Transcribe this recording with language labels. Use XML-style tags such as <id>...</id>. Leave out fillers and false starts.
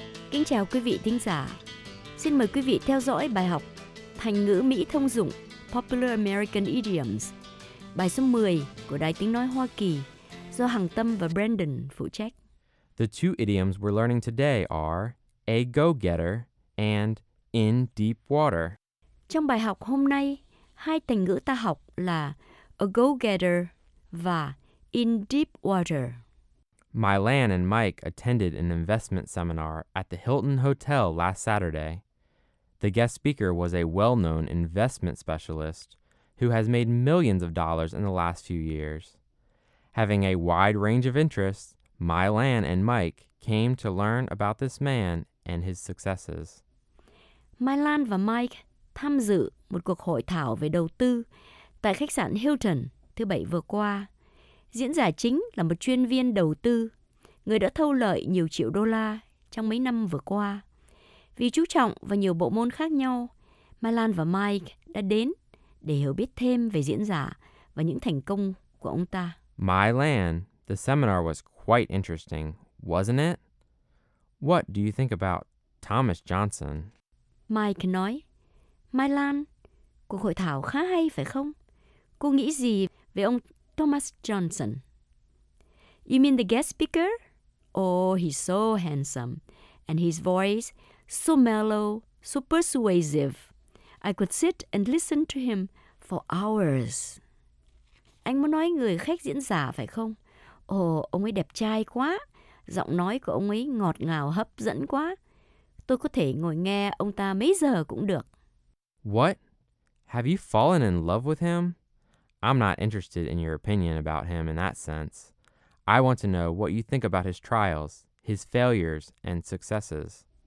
<vi>Kính chào quý vị thính giả. Xin mời quý vị theo dõi bài học Thành ngữ Mỹ thông dụng</vi> <en>Popular American Idioms,</en> <vi>bài số 10 của Đài Tiếng Nói Hoa Kỳ do Hằng Tâm và Brandon phụ trách.</vi> <en>The two idioms we're learning today are a go-getter and in deep water.</en> <vi>Trong bài học hôm nay, hai thành ngữ ta học là</vi> <en>a go-getter</en> <vi>và</vi> <en>in deep water. Mylan and Mike attended an investment seminar at the Hilton Hotel last Saturday. The guest speaker was a well-known investment specialist who has made millions of dollars in the last few years. Having a wide range of interests, Mylan and Mike came to learn about this man and his successes.</en> <vi>Mylan và Mike tham dự một cuộc hội thảo về đầu tư tại khách sạn Hilton thứ bảy vừa qua. Diễn giả chính là một chuyên viên đầu tư, người đã thâu lợi nhiều triệu đô la trong mấy năm vừa qua. Vì chú trọng vào nhiều bộ môn khác nhau, Mylan và Mike đã đến để hiểu biết thêm về diễn giả và những thành công của ông ta.</vi> <en>Mylan, the seminar was quite interesting, wasn't it? What do you think about Thomas Johnson?</en> <vi>Mike nói, Mylan, cuộc hội thảo khá hay phải không? Cô nghĩ gì về ông Thomas Johnson?</vi> <en>You mean the guest speaker? Oh, he's so handsome. And his voice, so mellow, so persuasive. I could sit and listen to him for hours.</en> <vi>Anh muốn nói người khách diễn giả phải không? Oh, ông ấy đẹp trai quá. Giọng nói của ông ấy ngọt ngào, hấp dẫn quá. Tôi có thể ngồi nghe ông ta mấy giờ cũng được.</vi> <en>What? Have you fallen in love with him? I'm not interested in your opinion about him in that sense. I want to know what you think about his trials, his failures, and successes.</en>